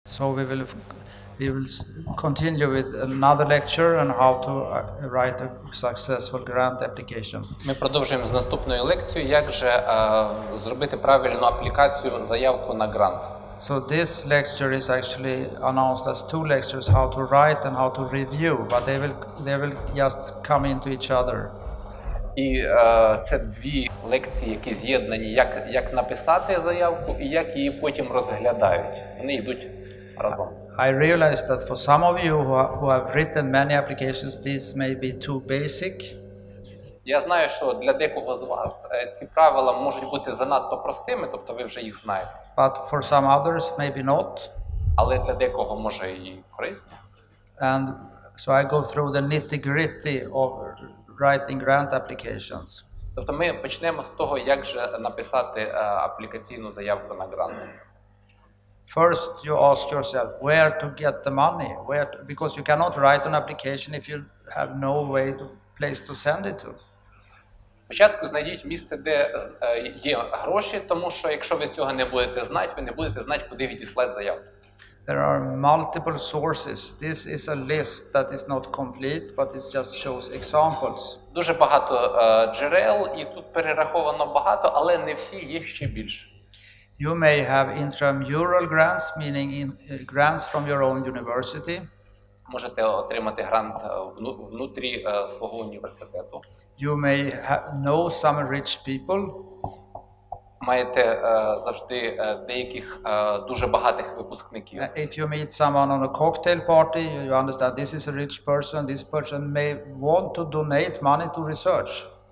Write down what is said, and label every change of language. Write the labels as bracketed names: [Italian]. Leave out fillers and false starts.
[English] So we will continue with another lecture on how to write a successful grant application. [Ukrainian] Ми продовжуємо з наступною лекцією, як же зробити правильну аплікацію, заявку на грант. [English] So this lecture is actually announced as two lectures, how to write and how to review, but they will just come into each other. [Ukrainian] І це дві лекції, які з'єднані, як написати заявку і як її потім розглядають. Вони йдуть разом. [English] I realize that for some of you who have written many applications, this may be too basic. [Ukrainian] Я знаю, що для декого з вас ці правила можуть бути занадто простими, тобто ви вже їх знаєте. [English] But for some others, maybe not. [Ukrainian] Але для декого може і корисні. [English] And so I go through the nitty-gritty of writing grant applications. [Ukrainian] Тобто ми почнемо з того, як же написати аплікаційну заявку на грант. [English] First you ask yourself where to get the money, because you cannot write an application if you have no way to place to send it to. [Ukrainian] Спочатку знайдіть місце, де є гроші, тому що якщо ви цього не будете знати, ви не будете знати, куди відіслати заявку. [English] There are multiple sources. This is a list that is not complete, but it just shows examples. [Ukrainian] Дуже багато джерел, і тут перераховано багато, але не всі, є ще більше. [English] You may have intramural grants, meaning grants from your own university. [Ukrainian] Можете отримати грант внутрі свого університету. [English] You may know some rich people. [Ukrainian] Маєте завжди деяких дуже багатих випускників. [English] If you meet someone on a cocktail party, you understand this is a rich person, this person may want to donate money to research.